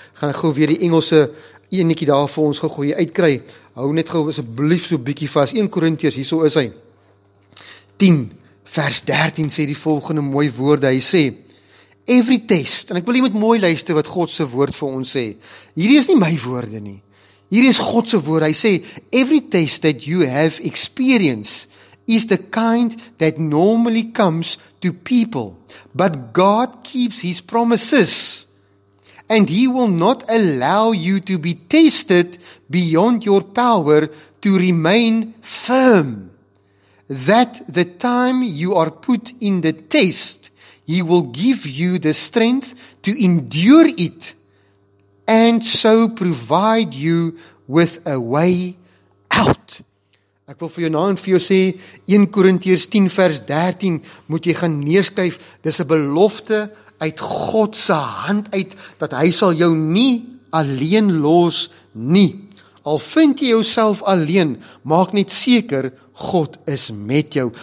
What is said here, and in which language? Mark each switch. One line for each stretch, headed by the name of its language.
Afrikaans: Gaan ek gou weer die Engelse eenetjie daar vir ons gou uitkry. Hou net gou asseblief so bietjie vas. 1 Korintiërs, hierso is hy. 10 vers 13 sê die volgende mooi woorde. Hy sê: "Every test," en ek wil jy moet mooi luister wat God se woord vir ons sê. Hierdie is nie my woorde nie. Hier is God se woord.
English: Hy sê, every test that you have experienced is the kind that normally comes to people. But God keeps his promises. And he will not allow you to be tested beyond your power to remain firm. That the time you are put in the test, he will give you the strength to endure it. And so provide you with a way out.
Afrikaans: Ek wil vir jou na en vir jou sê, 1 Korintiërs 10 vers 13, moet jy gaan neerskryf, dis 'n belofte uit God se hand uit, dat hy sal jou nie alleen los nie. Al vind jy jouself alleen, maak net seker, God is met jou.